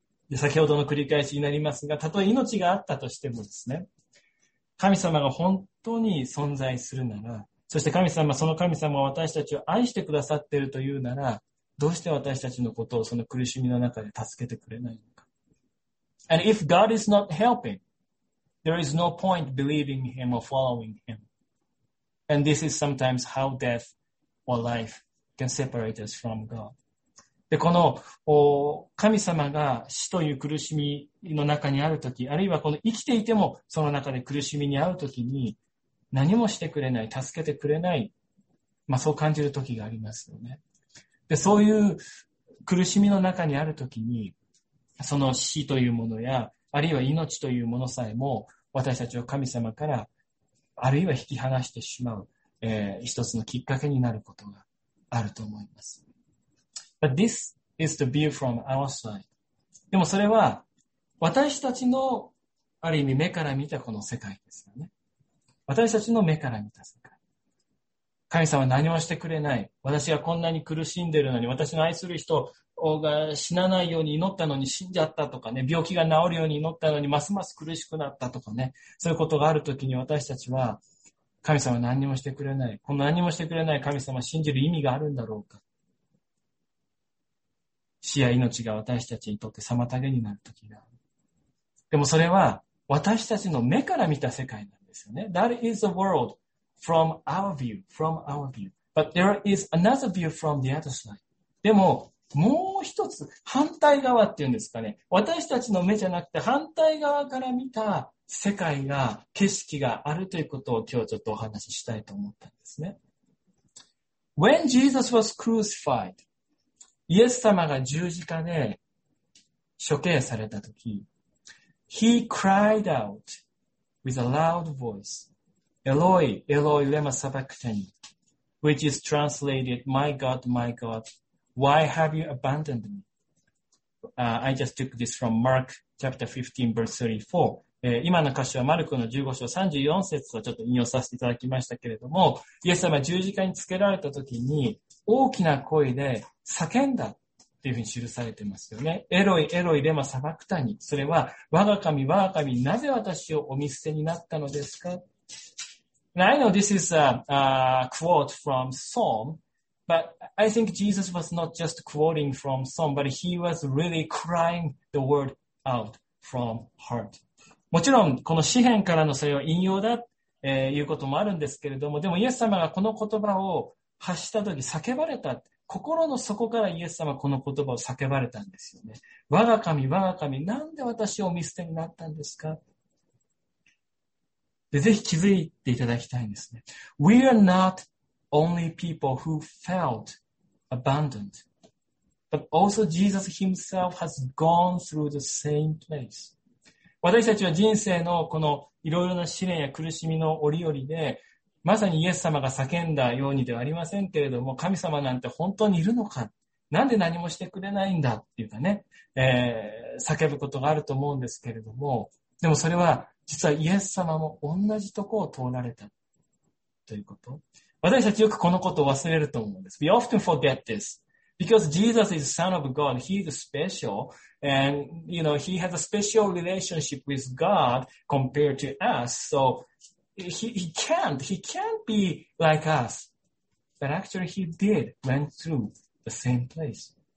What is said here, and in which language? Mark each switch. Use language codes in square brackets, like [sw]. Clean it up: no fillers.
[ja] で、先ほどの繰り返しになりますが、たとえ命があったとしてもですね、神様が本当に存在するなら、そして神様、その神様は私たちを愛してくださっているというなら、どうして私たちのことをその苦しみの中で助けてくれないのか。 [en] And if God is not helping, there is no point believing him or following him. And this is sometimes how death or life can separate us from God. [ja] で、この神様が死という苦しみの中にあるとき、あるいはこの生きていてもその中で苦しみに遭うときに、何もしてくれない、助けてくれない、まあ、そう感じるときがありますよね。で、そういう苦しみの中にあるときに、その死というものや、あるいは命というものさえも、私たちを神様から、あるいは引き離してしまう、一つのきっかけになることがあると思います。 [en] But this is the view from our side. [ja] でもそれは私たちのある意味目から見たこの世界ですよね。私たちの目から見た世界。神様は何もしてくれない。私がこんなに苦しんでるのに、私の愛する人が死なないように祈ったのに死んじゃったとかね、病気が治るように祈ったのにますます苦しくなったとかね、そういうことがあるときに私たちは神様は何もしてくれない。この何もしてくれない神様を信じる意味があるんだろうか。死や命が私たちにとって妨げになる時がある。でもそれは私たちの目から見た世界なんですよね。 [en] That is the world from our view, from our view. But there is another view from the other side. [ja] でももう一つ反対側っていうんですかね。私たちの目じゃなくて反対側から見た世界が、景色があるということを今日ちょっとお話ししたいと思ったんですね。 [en] When Jesus was crucified, [ja] イエス様が十字架で処刑されたとき、 [en] He cried out with a loud voice, [arc] Eloi, Eloi, lema sabachthani, [en] which is translated, my God, why have you abandoned me?、I just took this from Mark chapter 15, verse 34. [ja] 今の箇所はマルコの15章34節をちょっと引用させていただきましたけれども、イエス様十字架につけられたときに、大きな声で叫んだっていうふうに記されてますよね。エロイエロイレマサバクタニ、それは我が神我が神なぜ私をお見捨てになったのですか。 [en] Now, I know this is a quote from Psalm, but I think Jesus was not just quoting from Psalm, but he was really crying the word out from heart. [ja] もちろんこの詩編からのそれは引用だ、いうこともあるんですけれども、でもイエス様がこの言葉を発したとき叫ばれた、心の底からイエス様はこの言葉を叫ばれたんですよね。我が神我が神なんで私を見捨てになったんですか。で、ぜひ気づいていただきたいんですね。 [en] We are not only people who felt abandoned, but also Jesus himself has gone through the same place. [ja] 私たちは人生のこのいろいろな試練や苦しみの折々で、まさにイエス様が叫んだようにではありませんけれども、神様なんて本当にいるのか、なんで何もしてくれないんだっていうかね、叫ぶことがあると思うんですけれども、でもそれは実はイエス様も同じところを通られたということ。私たちよくこのことを忘れると思うんです。 [en] We often forget this. Because Jesus is the Son of God, He is special, and you know, He has a special relationship with God compared to us, so He can't be like us. But actually He did, went through the same place.